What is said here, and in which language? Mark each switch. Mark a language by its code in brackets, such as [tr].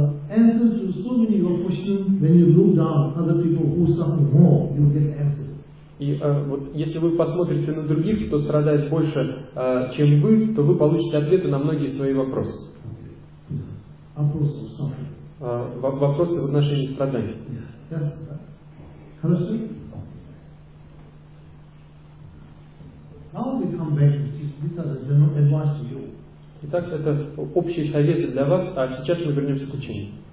[en] Answer to so many your questions, when you look down other people who suffer more, you get answers. [ru] И вот если вы посмотрите на других, кто страдает больше, чем вы, то вы получите ответы на многие свои вопросы. Вопросы [en] suffering. [ru] Вопросы в отношении страданий. [en] Yes, yes. [ru] Хорошо? [en] Now we come back to this as a general advice to you. [ru] Итак, это общие советы для вас, а сейчас мы вернемся к учению.